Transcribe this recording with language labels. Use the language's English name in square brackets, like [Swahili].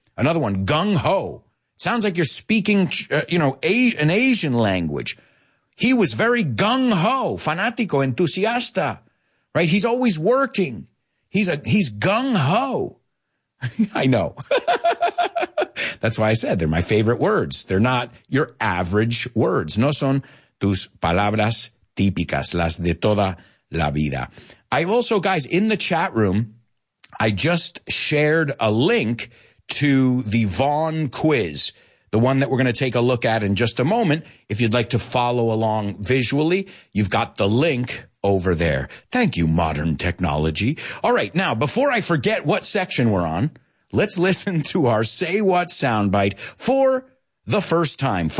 [English] Another one, gung-ho. Sounds like you're speaking, an Asian language. He was very gung-ho, fanático, entusiasta, right? He's always working. He's gung-ho. I know. That's why I said they're my favorite words. They're not your average words. [Spanish] No son tus palabras típicas, las de toda la vida. [English] I've also, guys, in the chat room, I just shared a link to the Vaughn quiz, the one that we're going to take a look at in just a moment. If you'd like to follow along visually, you've got the link over there. Thank you, modern technology. All right, now, before I forget what section we're on, let's listen to our Say What soundbite for the first time.